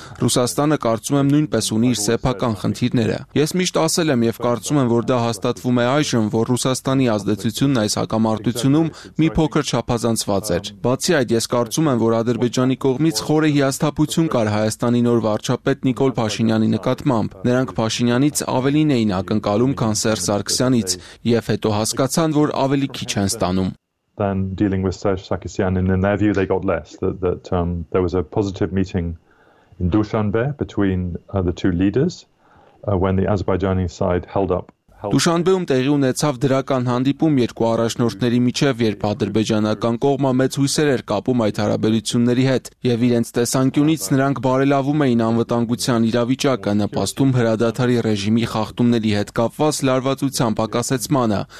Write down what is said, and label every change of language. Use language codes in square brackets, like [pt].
[hy] Ռուսաստանը կարծում եմ նույնպես ունի իր սեփական խնդիրները։ Ես միշտ ասել եմ եւ կարծում եմ, որ դա հաստատվում է այժմ, որ Ռուսաստանի ազդեցությունն այս հակամարտությունում մի փոքր չափազանցված էր։ Բացի այդ, ես կարծում եմ, որ Ադրբեջանի կողմից խորը հիասթափություն կար Հայաստանի նոր վարչապետ Նիկոլ Փաշինյանի նկատմամբ։ Նրանք Փաշինյանից ավելին էին ակնկալում, քան Սերժ Սարգսյանից, եւ հետո հասկացան, որ ավելի քիչ են ստանում։ [en] Then dealing with Serge Sargsyan, and in their view they got less, that there was a positive meeting in Dushanbe between the two leaders when the Azerbaijani side held up. [hy] Դուշանբեում տեղի ունեցավ դրական հանդիպում երկու առաջնորդների միջև, երբ ադրբեջանական կողմը մեծ հույսեր էր կապում այդ հարաբերությունների հետ, եւ իրենց տեսանկյունից նրանք բարելավում էին անվտանգության իրավիճակը, նպաստում հրադադարի ռեժիմի խախտումների հետ կապված լարվածության պակասեցմանը,